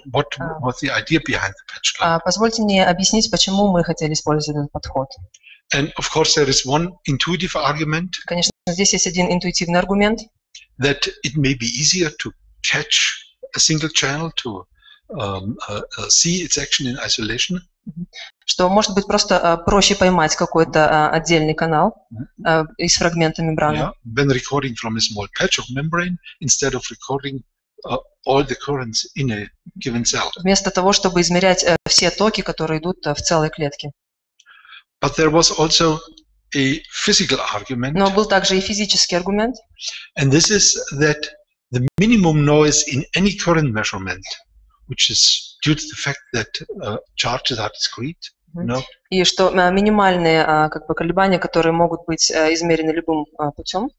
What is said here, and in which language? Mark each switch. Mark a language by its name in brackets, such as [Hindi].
[English] What was the idea behind the patch clamp? [Russian] Позвольте мне объяснить, почему мы хотели использовать этот подход. [English] And of course there is one intuitive argument. [Russian] Конечно, здесь есть один интуитивный аргумент. [English] That it may be easier to catch a single channel to see its action in isolation. [Russian] Что может быть просто проще поймать какой-то отдельный канал из фрагмента мембраны. [English] Yeah, when recording from a small patch of membrane instead of recording all the currents in a given cell. [Russian] Вместо того, чтобы измерять все токи, которые идут в целой клетке. [English] But there was also a physical argument. [Russian] Но был также и физический аргумент. [English] And this is that the minimum noise in any current measurement, which is due to the fact that charges are discrete, no? [Russian] И что минимальные как бы колебания, которые могут быть измерены любым путем?